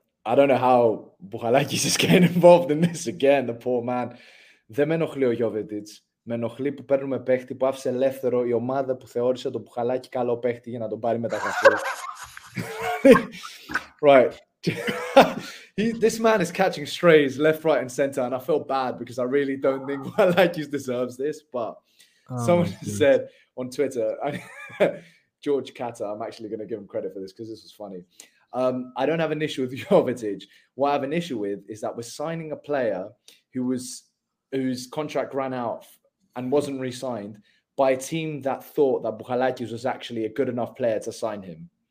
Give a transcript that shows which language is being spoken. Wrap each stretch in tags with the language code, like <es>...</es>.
<en>I don't know how Bukalakis is getting involved in this again. The poor man.</en> <el>Δεν με ενοχλεί ο Γιώβετιτς. Με ενοχλεί που παίρνουμε παίχτη που άφησε ελεύθερο η ομάδα που θεώρησε τον Μπουχαλάκη καλό παίχτη για να τον πάρει μεταγραφή.</el> <en>Right. This man is catching strays left, right, and center, and I feel bad because I really don't think Bukalakis deserves this. But someone said on Twitter, George Catter, I'm actually going to give him credit for this because this was funny. I don't have an issue with Jovetic. What I have an issue with is that we're signing a player whose contract ran out and wasn't re-signed by a team that thought that Bukalakis was actually a good enough player to sign him.</en>